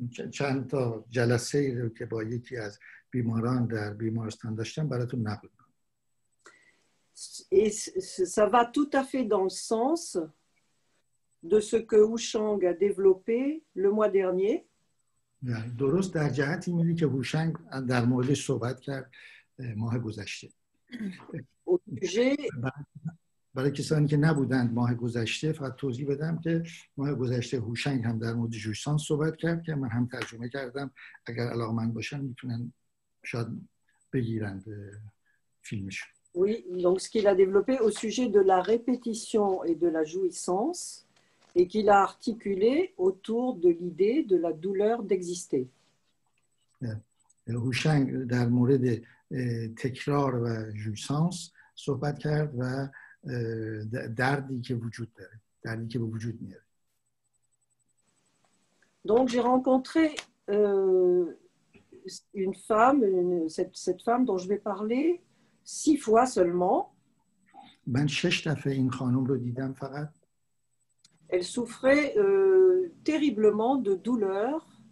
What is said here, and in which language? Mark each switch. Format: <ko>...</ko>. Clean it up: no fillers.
<fa>چند تا جلسه که با یکی از بیماران در بیمارستان داشتم براتون نقل کنم.</fa> <fr>Et ça va tout à fait dans le sens de ce que Ushang a développé le mois dernier.</fr> <fa>درست در جهتی میده که هوشنگ در مورد صحبت کرد ماه گذشته. برای کسانی که نبودند ماه گذشته فقط توضیح بدم که ماه گذشته هوشنگ هم در مورد جوشان صحبت کرد که من هم ترجمه کردم اگر علاقمند باشن میتونن شاید بگیرند فیلمش.</fa> <fr>Oui, donc ce qu'il a développé au sujet de la répétition et de la jouissance. Et qu'il a articulé autour de l'idée de la douleur d'exister.</fr> <fa>Hushang,</fa> <fr>dans le monde de tekrar et jouissance,</fr> <fa>صحبت کرد و دردی که وجود داره، دردی که به وجود میاره.</fa> <fr>Donc j'ai rencontré une femme, cette femme dont je vais parler, 6 fois seulement.</fr> <fa>من 6 دفعه این خانم رو دیدم فقط.</fa> <fr>Elle souffrait terriblement de douleurs.</fr>